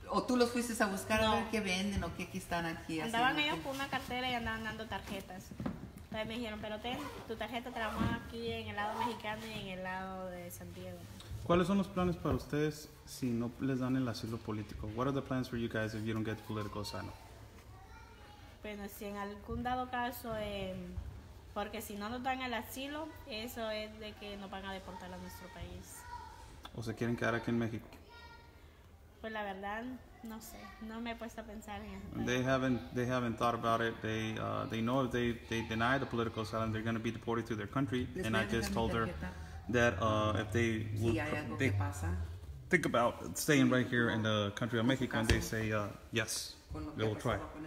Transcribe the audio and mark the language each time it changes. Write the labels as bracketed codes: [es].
[es] ¿O tú los fuiste a buscar a ver qué venden o qué están aquí? Andaban ellos con una cartera y andaban dando tarjetas. Entonces me dijeron, pero ten tu tarjeta, te la vamos aquí en el lado mexicano y en el lado de San Diego. ¿Cuáles son los planes para ustedes si no les dan el asilo político? [en] What are the plans for you guys if you don't get political asylum? [es] Bueno, si en algún dado caso, porque si no nos dan el asilo, eso es de que nos van a deportar a nuestro país. ¿O se quieren quedar aquí en México? Pues la verdad, no sé. No me he puesto a pensar en eso. [en] They haven't thought about it. They know if they deny the political asylum, they're going to be deported to their country. And I just told her that if they would... [es] ¿Qué pasa? [en] Think about staying right here in the country of Mexico. And they say, yes, we will try.